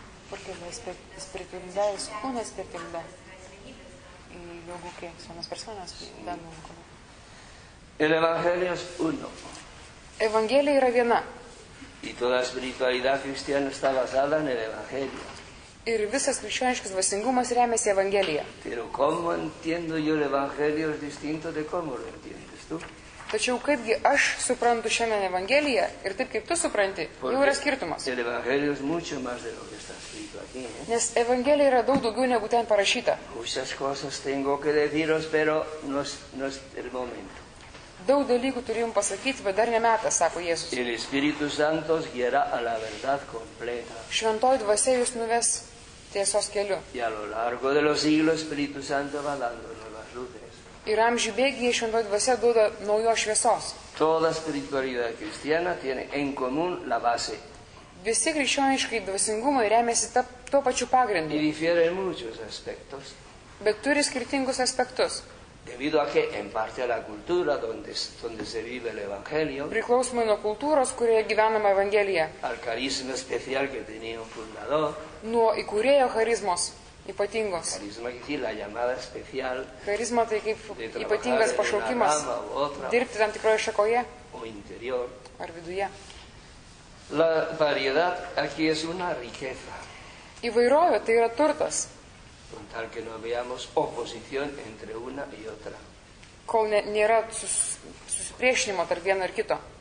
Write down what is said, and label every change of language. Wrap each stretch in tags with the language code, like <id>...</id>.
<es>Porque la espiritualidad es una espiritualidad. Y luego, ¿qué? Son las personas dando un color. El Evangelio es uno.</es> <lt>Evangelio era viena.</lt> <es>Y toda espiritualidad cristiana está basada en el Evangelio.</es> <lt>Ir visas krikščioniškas dvasingumas remiasi Evangelija.</lt> <es>Pero cómo entiendo yo el Evangelio es distinto de cómo lo entiendes tú.</es> <lt>Tačiau kaipgi aš suprantu šiandien Evangeliją ir taip kaip tu supranti, jau yra skirtumas.</lt> <es>El Evangelio es mucho más de lo que está escrito aquí.</es> <lt>Nes Evangelija yra daug daugiau negu ten parašyta.</lt> <es>Muchas cosas tengo que deciros, pero no es el momento.</es> <lt>Daug dalykų turiu jums pasakyti, bet dar ne metas, sako Jėzus.</lt> <es>El Espíritu Santo guiará a la verdad completa.</es> <lt>Šventoji dvasia jūs nuves tiesos keliu.</lt> <es>Y a lo largo de los siglos, el Espíritu Santo va dando nuevas luces.</es> <lt>Ir amžių bėgyje šventoji dvasia duoda naujos šviesos.</lt> <es>Toda espiritualidad cristiana tiene en común la base.</es> <lt>Visi krikščioniškai dvasingumai remiasi tuo pačiu pagrindu.</lt> <es>Y difiere en muchos aspectos.</es> <lt>Bet turi skirtingus aspektus.</lt> <es>Debido a que en parte a la cultura donde se vive el evangelio.</es> <lt>Priklausomai nuo kultūros, kurioje gyvenama evangelija.</lt> <es>Al carisma especial que tenía un fundador.</es> <lt>Nuo įkūrėjo charizmos ypatingos.</lt> <es>Carisma que tiene la llamada especial.</es> <lt>Charizma tai kaip ypatingas pašaukimas. Dirbti tam tikroje šakoje.</lt> <es>O interior.</es> <lt>Ar viduje.</lt> <es>La variedad aquí es una riqueza.</es> <lt>Įvairovė tai yra turtas.</lt> <es>Con tal que no veamos oposición entre una y otra.</es> <lt>Kol nėra susipriešinimo tarp vieno ir kito.</lt>